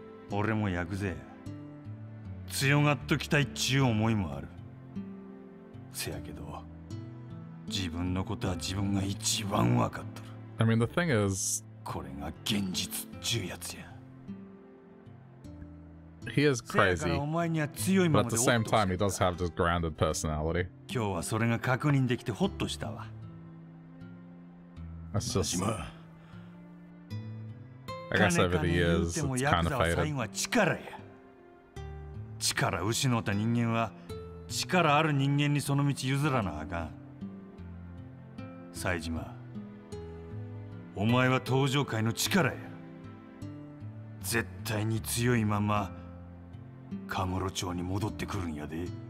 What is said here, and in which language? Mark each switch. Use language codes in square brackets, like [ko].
[ja] 俺もヤクザや。強がっときたいっちゅう思いもある。せやけど自分のことは自分が一番分かっとる。 [en] I mean the thing is [ja] これが現実っちゅうやつや。 [en] He is crazy but at the same time he does have this grounded personality. [ja] 今日はそれが確認できてホッとしたわ。 [en] That's just I guess over the years it's kind of faded. [ja] 最後は力や。力を失った人間は力ある人間にその道譲らなあかん。サイジマ、お前は登場界の力や。絶対に強いままカムロ町に戻ってくるんやで。